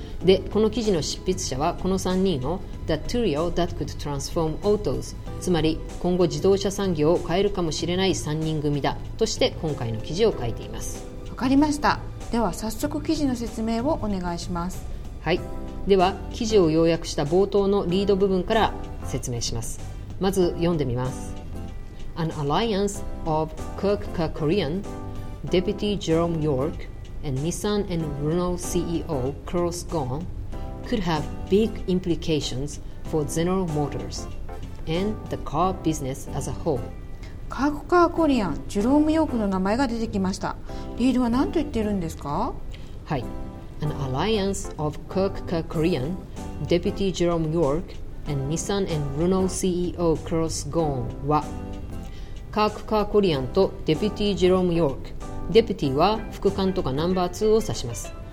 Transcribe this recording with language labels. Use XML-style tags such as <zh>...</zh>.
<ja>で、この記事の執筆者はこの3人を</ja> <en>The Trio That Could Transform Autos、</en> <ja>つまり今後自動車産業を変えるかもしれない3人組だとして今回の記事を書いています。わかりました。では早速記事の説明をお願いします。はい、では記事を要約した冒頭のリード部分から説明します。まず読んでみます。</ja> <en>An alliance of Kirk Kerkorian, Deputy Jerome YorkAnd Nissan and Renault CEO Carlos Ghosn could have big implications for General Motors and the car business as a whole.</en> <ja>カーク・カーコリアン、ジェローム・ヨークの名前が出てきました。リードは何と言ってるんですか？はい。</ja> <en>An alliance of Kirk Kerkorian, Deputy Jerome York, and Nissan and Renault CEO Carlos Ghosn</en> <ja>は、カーク・カーコリアンとデピュティ・ジェローム・ヨーク、デピュティは副官とかナンバー2を指します。</ja>